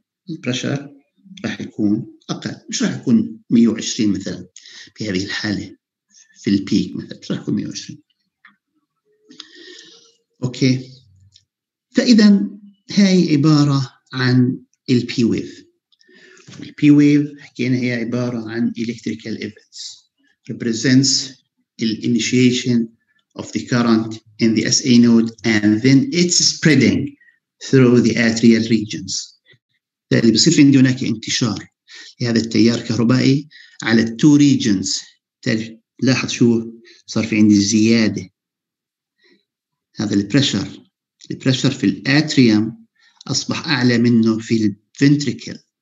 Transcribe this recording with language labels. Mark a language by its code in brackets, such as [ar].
[ar] The pressure راح يكون أقل، مش راح يكون 120 مثلاً. في هذه الحالة في البيك مثلا راح يكون 120. أوكي. فإذا هاي عبارة عن البي ويف. [en] البي ويف حكينا هي عبارة عن electrical events represents the initiation of the current in the SA node and then it's spreading through the atrial regions. [ar] فاللي بصير عندي هناك انتشار لهذا التيار الكهربائي على two regions. لاحظ شو صار في عندي زيادة. هذا pressure. pressure في الاتريوم أصبح أعلى منه في الventricle.